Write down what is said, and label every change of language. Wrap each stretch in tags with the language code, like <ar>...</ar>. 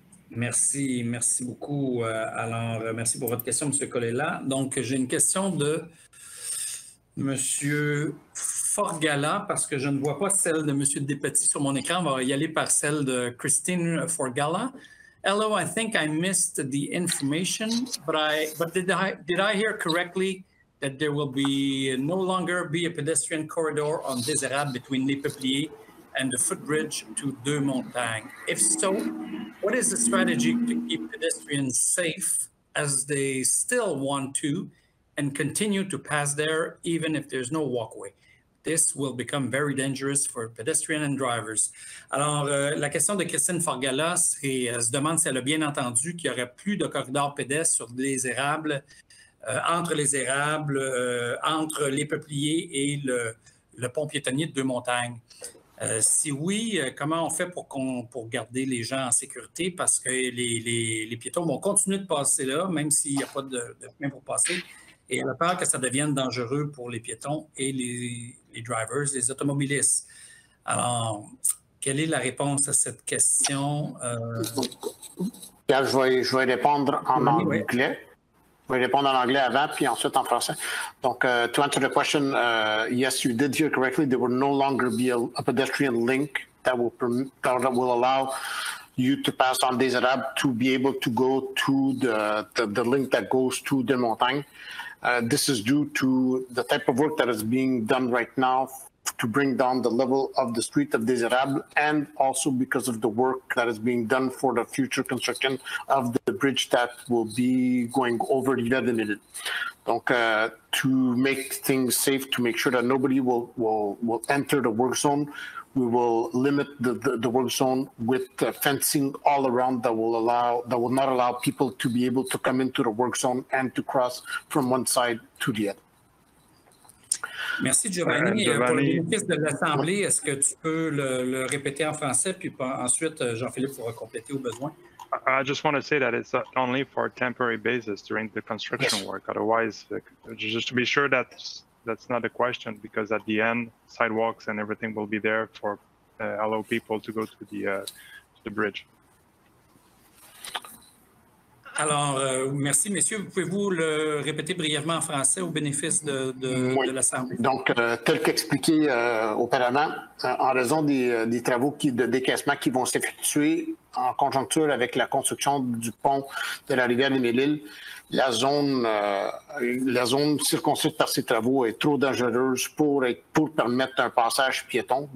<fr>Merci, merci beaucoup. Alors, merci pour votre question, M. Colella. Donc, j'ai une question de M. Forgala, parce que je ne vois pas celle de M. Despetit sur mon écran. On va y aller par celle de Christine Forgala.</fr> <en>Hello, I think I missed the information, but did I hear correctly that there will be no longer be a pedestrian corridor on Des Érables between Les Peupliers and the footbridge to Deux Montagnes? If so, what is the strategy to keep pedestrians safe as they still want to and continue to pass there even if there's no walkway? This will become very dangerous for pedestrians and drivers.</en> <fr>Alors, la question de Christine Forgala, c'est, elle se demande si elle a bien entendu qu'il n'y aurait plus de corridor pédestre sur Les Érables, entre Les Érables, entre Les Peupliers et le pont piétonnier de Deux Montagnes. Si oui, comment on fait pour garder les gens en sécurité? Parce que les piétons vont continuer de passer là, même s'il n'y a pas de chemin pour passer. Et elle a peur que ça devienne dangereux pour les piétons et les drivers, les automobilistes. Alors, quelle est la réponse à cette question? Pierre, je vais répondre en anglais. Oui. Je vais répondre en anglais avant, puis ensuite en français.</fr> <en>Donc, to answer the question, yes, you did hear correctly. There will no longer be a pedestrian link that will that will allow you to pass on Des Érables to be able to go to the link that goes to Deux Montagnes. This is due to the type of work that is being done right now to bring down the level of the street of Des Érables, and also because of the work that is being done for the future construction of the bridge that will be going over the Yvelines. Donc, to make things safe, to make sure that nobody will enter the work zone, we will limit the work zone with fencing all around that will not allow people to be able to come into the work zone and to cross from one side to the other.</en> <fr>Merci Giovanni. Giovanni. Pour le bénéfice de l'Assemblée, est-ce que tu peux le répéter en français, puis ensuite Jean-Philippe pourra compléter au besoin?</fr> <en>I just want to say that it's only for a temporary basis during the construction work. Otherwise, just to be sure that's not a question, because at the end, sidewalks and everything will be there for allow people to go to the bridge.</en> <fr>Alors, merci, messieurs. Pouvez-vous le répéter brièvement en français au bénéfice oui. de l'Assemblée? Donc, tel qu'expliqué auparavant, en raison des travaux de décaissement qui vont s'effectuer en conjoncture avec la construction du pont de la rivière des Mille-Îles, la zone circonscrite par ces travaux est trop dangereuse pour permettre un passage piéton.</fr>